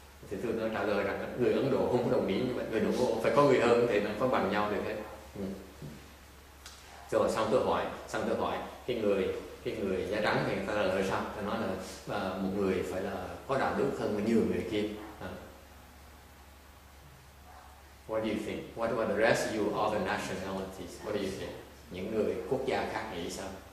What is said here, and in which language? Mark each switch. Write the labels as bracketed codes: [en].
[vi] Thì tôi đã trả lời rằng người Ấn Độ không có đồng ý như vậy, người Ấn Độ phải có người hơn thì mới có bằng nhau được hết. Rồi xong tôi hỏi cái người da trắng thì người ta trả lời sao? Ta nói là một người phải là có đạo đức hơn nhiều người kia. [en] What do you think? What about the rest of you, all the nationalities? What do you think? [vi] Những người quốc gia khác nghĩ sao?